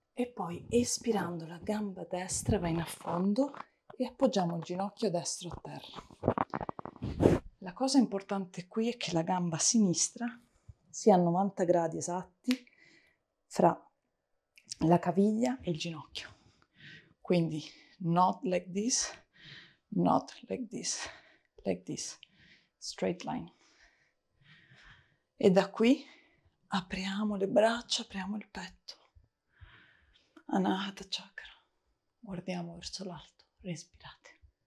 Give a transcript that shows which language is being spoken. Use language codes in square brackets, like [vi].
[it] E poi, espirando, la gamba destra va in affondo e appoggiamo il ginocchio destro a terra. La cosa importante qui è che la gamba sinistra sia a 90 gradi esatti fra la caviglia e il ginocchio. [en] Quindi, not like this, not like this, straight line. [it] E da qui apriamo le braccia, apriamo il petto. Anahata chakra. Guardiamo verso l'alto. Respirate.